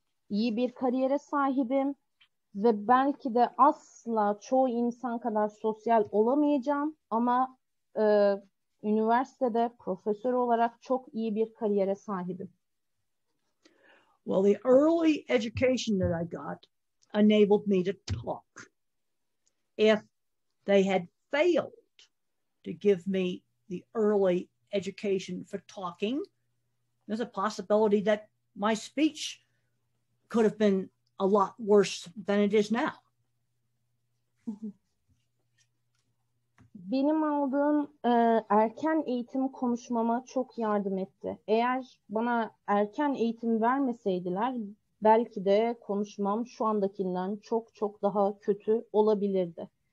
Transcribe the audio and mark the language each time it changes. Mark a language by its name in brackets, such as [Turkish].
[Turkish] İyi bir kariyere sahibim ve belki de asla çoğu insan kadar sosyal olamayacağım ama üniversitede profesör olarak çok iyi bir kariyere sahibim. [English] Well, the early education that I got enabled me to talk. If they had failed to give me the early education for talking, there's a possibility that my speech could have been a lot worse than it is now. [Turkish] Benim aldığım erken eğitim konuşmama çok yardım etti. Eğer bana erken eğitim vermeseydiler belki de konuşmam şu andakinden çok çok daha kötü olabilirdi.